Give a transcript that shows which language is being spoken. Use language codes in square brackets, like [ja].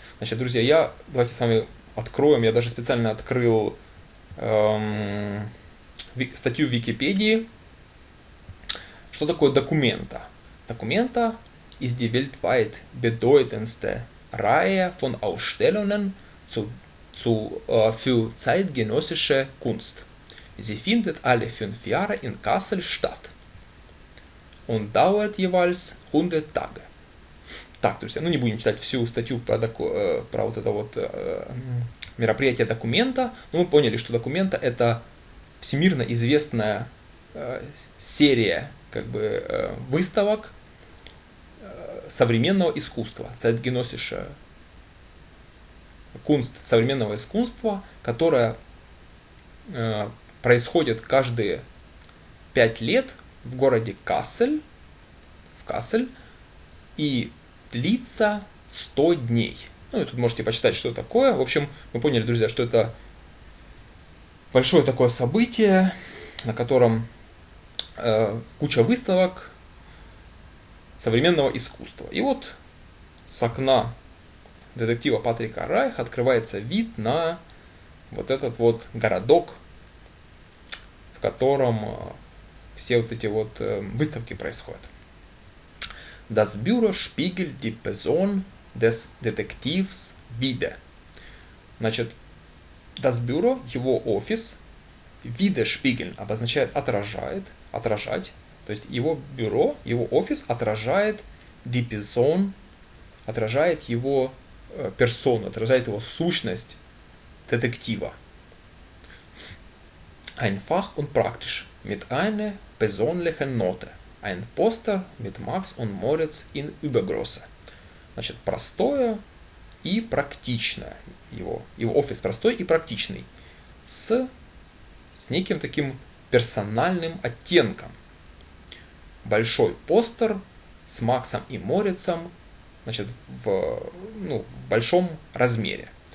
[ru] Значит, друзья, давайте с вами откроем. Я даже специально открыл статью в Википедии. Что такое документа? [de] Документа ist die weltweit bedeutendste Reihe von Ausstellungen für zeitgenössische Kunst. Sie findet alle fünf Jahre in Kassel statt und dauert jeweils 100 Tage. [ru] Так, друзья, ну не будем читать всю статью про вот это вот мероприятие документа, но мы поняли, что документа – это всемирно известная серия как бы выставок современного искусства, Zeitgenössische Kunst, современного искусства, которая происходит каждые 5 лет в городе Кассель, и длится 100 дней. Ну, и тут можете почитать, что такое. В общем, мы поняли, друзья, что это большое такое событие, на котором куча выставок современного искусства. И вот с окна детектива Патрика Райха открывается вид на вот этот вот городок, в котором все вот эти вот выставки происходят. [de] Das Büro spiegelt die Person des Detektivs wider. [ru] Значит, das Büro, его офис, wider spiegeln, обозначает отражает, отражать. То есть его бюро, его офис отражает die Person, отражает его персону, отражает его сущность детектива. [de] Einfach und praktisch, mit einer persönlichen Note. Ein Poster mit Max und Moritz in Übergröße. [ru] Значит, простое и практичное. Его офис простой и практичный. С неким таким персональным оттенком. Большой постер с Максом и Морицем, значит, в большом размере.